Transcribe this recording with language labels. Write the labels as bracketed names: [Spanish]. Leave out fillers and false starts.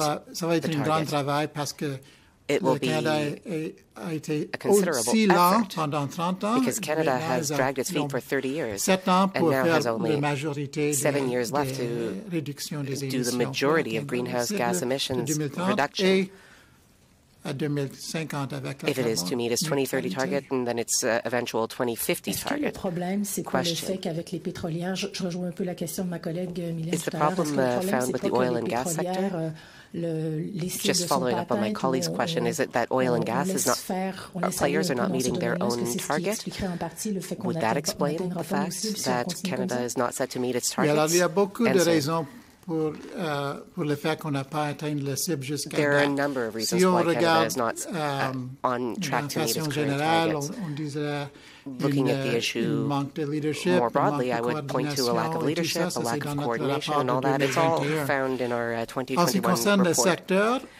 [French] ça va être un grand travail parce que [English] it will be a considerable effort, because Canada has dragged its feet for 30 years and now has only 7 years left to do the majority of greenhouse gas emissions reduction. If it is to meet its 2030 target and then its eventual 2050 target. Question. Is the problem found with the oil and gas sector? Just following up on my colleague's question, is it that oil and gas is not, our players are not meeting their own target? Would that explain the fact that Canada is not set to meet its targets? And so, [French] pour le fait qu'on n'a pas atteint le cible jusqu'à date. [English] There are a number of reasons why Canada is not on track to meet its current targets. Looking at the issue more broadly, I would point to a lack of leadership, a lack of coordination, and all that. It's all found in our 2021 report.